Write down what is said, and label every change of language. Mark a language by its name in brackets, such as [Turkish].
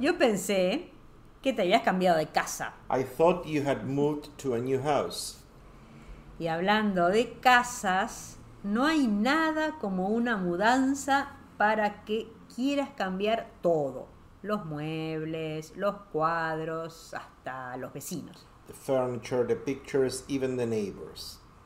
[Spanish] Yo pensé que te habías cambiado de casa. [English] I thought you had moved to a new house. [Spanish] Y hablando de casas, no hay nada como una mudanza para que quieras cambiar todo. Los muebles, los cuadros, hasta los vecinos. [English] The furniture, the pictures, even the neighbors.